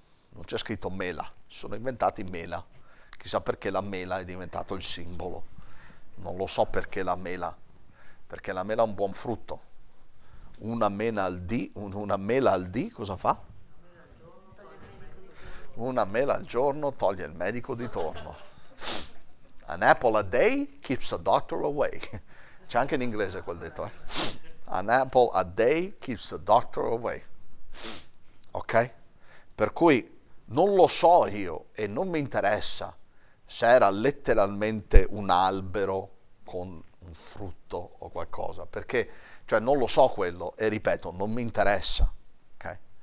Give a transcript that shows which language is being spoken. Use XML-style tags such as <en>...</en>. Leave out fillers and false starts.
<it>Non c'è scritto mela, sono inventati mela. Chissà perché la mela è diventato il simbolo. Non lo so perché la mela, perché la mela è un buon frutto. Una mela al dì cosa fa? Una mela al giorno toglie il medico di torno.</it> <en>An apple a day keeps the doctor away.</en> <it>C'è anche in inglese quel detto, eh?</it> <en>An apple a day keeps the doctor away. Ok?</en> <it>Per cui non lo so io e non mi interessa se era letteralmente un albero con un frutto o qualcosa, perché cioè non lo so quello e ripeto, non mi interessa. Okay?</it>